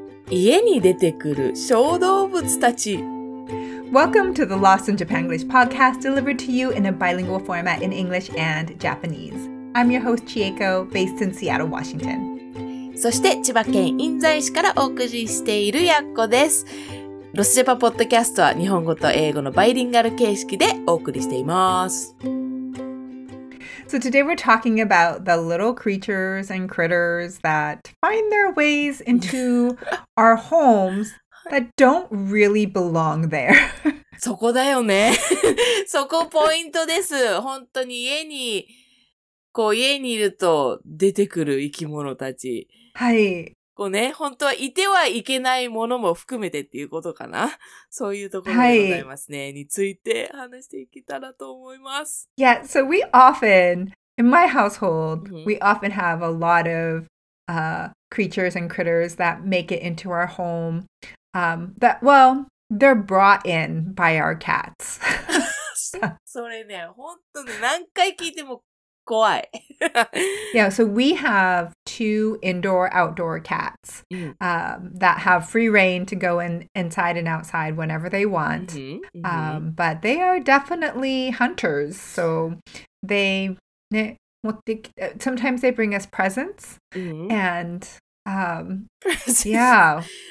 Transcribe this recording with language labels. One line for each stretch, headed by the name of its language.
Japanese: 家に出てくる小動物たち。
English: Welcome to the Lost in Japan English podcast, delivered to you in a bilingual format in English and Japanese. I'm your host, Chieko, based in Seattle, Washington.
Japanese: そして千葉県印西市からお送りしているやっこです。ロスジェパポッドキャストは日本語と英語のバイリンガル形式でお送りしています。
English: So today we're talking about the little creatures and critters that find their ways into our homes that don't really belong there.
Japanese: そこだよね。そこポイントです。本当に家に、こう家にいると出てくる生き物たち。はい。こうね、本当はいてはいけないものも含めてっていうことかな。そういうところでございますね、はい、について話していけたらと思います。
English: Yeah, so we often, in my household,、mm-hmm. we often have a lot of、creatures and critters that make it into our home. Well, they're brought in by our cats.
Japanese: それね、本当に何回聞いても怖い。
English: Yeah, so we have two indoor-outdoor cats、that have free reign to go in inside and outside whenever they want.、but they are definitely hunters. So they, ね、sometimes they bring us presents.、and, yeah.